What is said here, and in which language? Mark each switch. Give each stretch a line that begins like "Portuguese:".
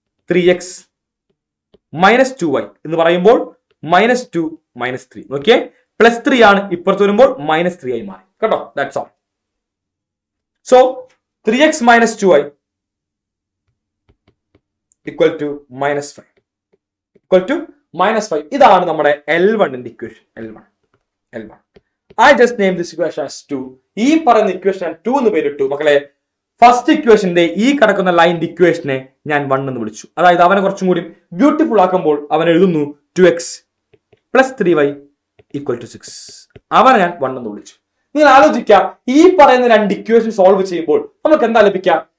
English: three x minus two y
Malayalam: എന്ന് പറയുമ്പോൾ
English: Minus two minus three.
Malayalam: Okay, plus three ആണ്, ഇപ്പുറത്ത് വരുമ്പോൾ മൈനസ് ത്രീ ആയി മാറി, കേട്ടോ.
English: That's all. So three x minus two y equal to minus five equal to minus five.
Malayalam: ഇതാണ് നമ്മുടെ എൽ വണ്ണിന്റെ equation.
English: L one, L one I just named this equation as 2.
Malayalam: ഈ പറയുന്ന ഇക്വേഷൻ 2 എന്ന് പേരിട്ടു. മക്കളെ ഫസ്റ്റ് ഇക്വേഷന്റെ ഈ കിടക്കുന്ന ലൈൻ്റെ ഇക്വേഷനെ ഞാൻ 1 എന്ന് വിളിച്ചു. അതായത് അവനെ കുറച്ചും കൂടി ബ്യൂട്ടിഫുൾ ആക്കുമ്പോൾ അവൻ എഴുതുന്നു 2x plus 3y equal to 6. അവനെ ഞാൻ 1 എന്ന് വിളിച്ചു. നിങ്ങൾ ആലോചിക്കുക, ഈ പറയുന്ന രണ്ട് ഇക്വേഷൻ സോൾവ് ചെയ്യുമ്പോൾ നമുക്ക് എന്താ ലഭിക്കുക?